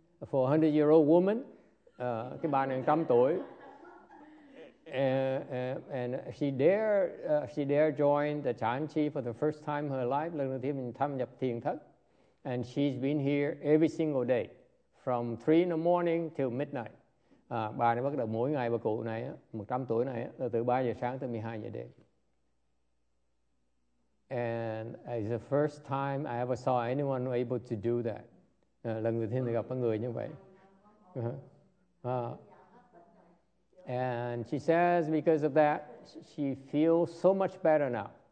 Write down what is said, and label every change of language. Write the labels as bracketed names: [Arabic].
[English] For a 100-year-old woman, [Vietnamese] cái bà này 100 tuổi. [English] And she dare join the chan chi for the first time in her life, [Vietnamese] lần đầu tiên tham nhập thiền thất. [English] And she's been here every single day, from 3 in the morning till midnight. [Vietnamese] Bà này bắt đầu mỗi ngày, bà cụ này, 100 tuổi này, là từ 3 giờ sáng tới 12 giờ đêm. [English] And it's the first time I ever saw anyone able to do that. [Vietnamese] Lần đầu tiên thì gặp một người như vậy. [English] And she says because of that, she feels so much better now.